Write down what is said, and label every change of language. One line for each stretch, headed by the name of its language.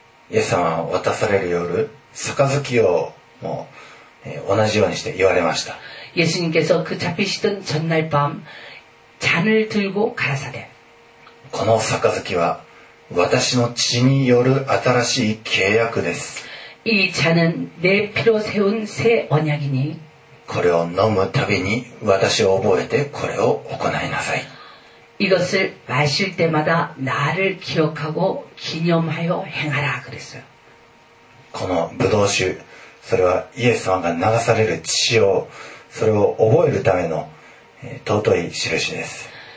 Japanese: 예수様は渡される夜杯をもう同じようにして言われました
Korean: 예수님께서그잡히시던전날밤잔을들고가라사대
Japanese: この杯は私の血による新しい契約です。
Korean: 이잔은내피로세운새언약이니
Japanese: これを飲むたびに私を覚えてこれを行いなさい。
Korean: 이것을마실때마다나를기억하고기념하여행하라그랬어요。
Japanese: このブドウ酒、それはイエス様が流される血を、それを覚えるための尊い印です。